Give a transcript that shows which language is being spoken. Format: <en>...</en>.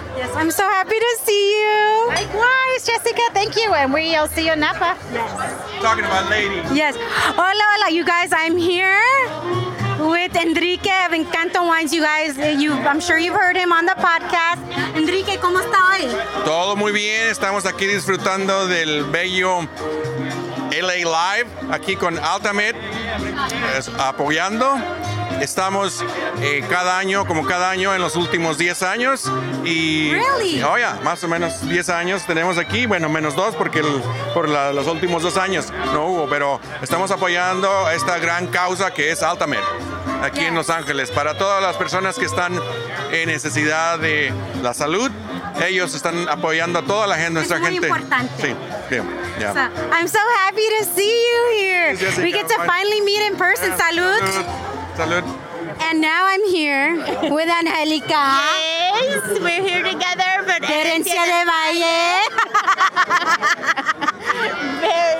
<en>Yes, I'm so happy to see you. Likewise, Jessica, thank you. And we'll see you in Napa. Yes. Talking about ladies. Yes.</en> <es>Hola, hola,</es> <en>you guys, I'm here with Enrique of Encanto Wines. You guys, I'm sure you've heard him on the podcast.</en> <es>Enrique, ¿cómo está hoy? Todo muy bien. Estamos aquí disfrutando del bello LA Live, aquí con Ultimate, apoyando. Estamos cada año, como cada año, en los últimos 10 años. Y,</es> <en>¿really?</en> <es>Oh, yeah, más o menos 10 años tenemos aquí. Bueno, menos dos, porque los últimos dos años no hubo. Pero estamos apoyando esta gran causa que es Ultimate, aquí en Los Ángeles. Para todas las personas que están en necesidad de la salud, ellos están apoyando a toda la gente, nuestra gente. Es muy importante. Sí, sí. Yeah.</es> <en>So, I'm so happy to see you here. Yes, we get to finally meet in person. Yeah. Salud.</en> <es>Salud.</es> <en>And now I'm here with Angelica. Yes, we're here together. But</en> <es>Herencia de Valle.</es>